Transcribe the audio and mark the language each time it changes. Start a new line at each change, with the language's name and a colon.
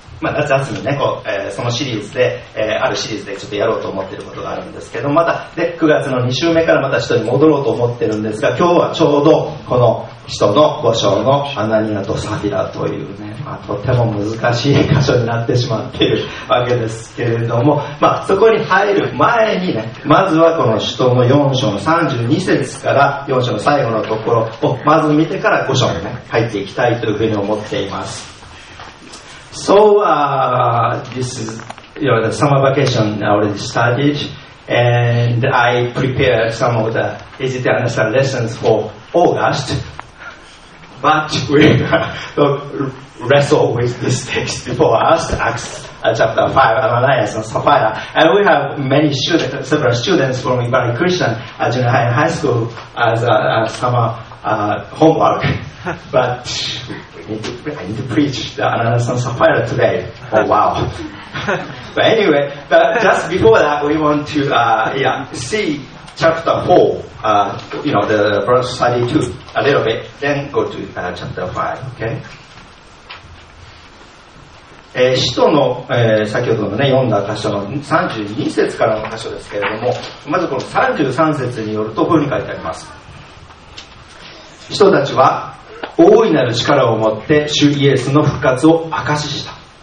Japanese: まあ、夏休みね、こう、そのシリーズで、あるシリーズでちょっとやろうと思っていることがあるんですけど、また、で、9月の2週目からまた首都に戻ろうと思ってるんですが、今日はちょうど、この、人の五章のアナニアとサフィラというね、まあ、とても難しい箇所になってしまっているわけですけれども、まあ、そこに入る前にね、まずはこの使徒の4章の32節から4章の最後のところをまず見てから五章に、ね、入っていきたいというふうに思っています。
English: So, this is, you know, the summer vacation I already studied, and I prepared some of the easy to understand lessons for August. But we wrestle with this text before us, Acts chapter 5, Ananias and Sapphira. And we have many students, several students from Ibarri Christian Junior High and High School as a summer homework. But I need to preach the Ananias and Sapphira today. Oh, wow. But anyway, but just before that, we want to see... Chapter 4, you know, the verse 32, a little bit, then go to chapter 5, okay?
Japanese: 使徒の、先ほどのね、読んだ箇所の32節からの箇所ですけれども、まずこの33節によると、こういうふうに書いてあります。使徒たちは、大いなる力を持って、主イエスの復活を証しした。